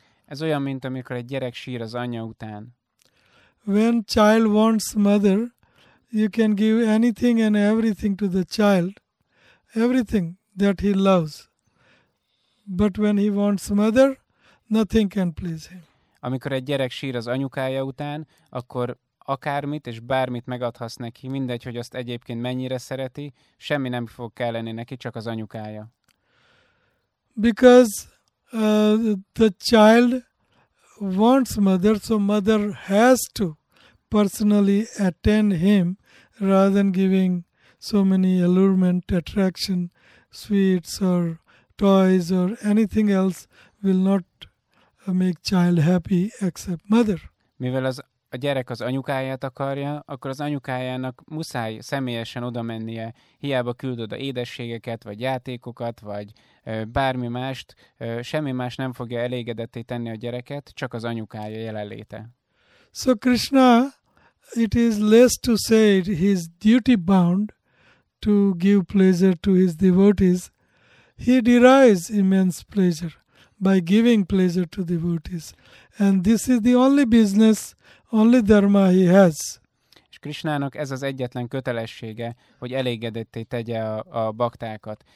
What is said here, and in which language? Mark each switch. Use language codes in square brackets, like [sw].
[hu] Ez olyan, mint amikor egy gyerek sír az anyja után. [en] When child wants mother, you can give anything and everything to the child. everything that he loves. But when he wants mother, nothing can please him. [hu] Amikor egy gyerek sír az anyukája után, akkor akármit és bármit megadhatsz neki, mindegy, hogy azt egyébként mennyire szereti, semmi nem fog kelleni neki, csak az anyukája. [en] Because the child wants mother, so mother has to personally attend him rather than giving so many allurement, attraction, sweets or toys or anything else will not make child happy except mother. [hu] Mivel az a gyerek az anyukáját akarja, akkor az anyukájának muszáj személyesen oda mennie, hiába küldöd a édességeket, vagy játékokat, vagy bármi mást, semmi más nem fogja elégedetté tenni a gyereket, csak az anyukája jelenléte. [en] So Krishna, it is less to say he is duty bound to give pleasure to his devotees. He derives immense pleasure by giving pleasure to devotees. And this is the only business, only dharma he has. [hu] És Krishnának ez az egyetlen kötelessége, hogy elégedetté tegye a baktákat.